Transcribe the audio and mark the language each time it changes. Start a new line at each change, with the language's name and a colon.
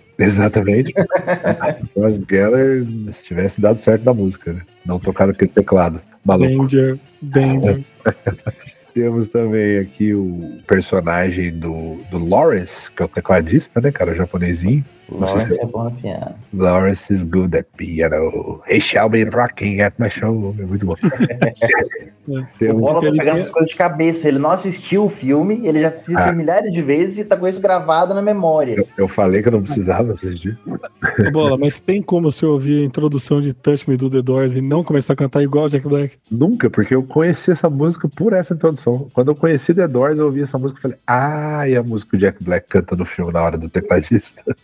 Portuguese: Exatamente. O Ross Geller, se tivesse dado certo na música, né? Não tocado aquele teclado. Maluco.
English: Danger.
Portuguese: Temos também aqui o personagem do Lawrence, que é o tecladista, né, cara, o japonesinho. Lawrence é bom no piano.
English: Lawrence is good at piano. He shall be rocking at my show.
Portuguese: É muito bom. Temos tá pegando as coisas de cabeça. Ele não assistiu o filme, ele já assistiu milhares de vezes e tá com isso gravado na memória. Eu falei que eu não precisava assistir. Bola, mas tem como você ouvir a introdução de Touch Me do The Doors e não começar a cantar igual Jack Black? Nunca, porque eu conheci essa música por essa introdução. Quando eu conheci The Doors, eu ouvi essa música e falei, e a música que o Jack Black canta no filme na hora do tecladista.